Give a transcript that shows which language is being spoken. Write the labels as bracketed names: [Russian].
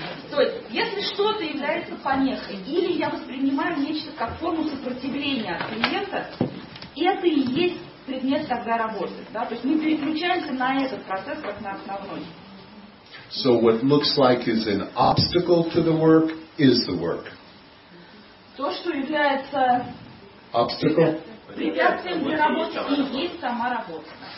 [Russian] То есть, если что-то является помехой, или я воспринимаю нечто как форму сопротивления от клиента, это и есть предмет тогда работы. Да? То есть мы переключаемся на этот процесс как на основной. [English] So what looks like is an obstacle to the work is the work. [Russian] То, что является [English] obstacle? [Russian] Препятствием для работы и есть сама работа.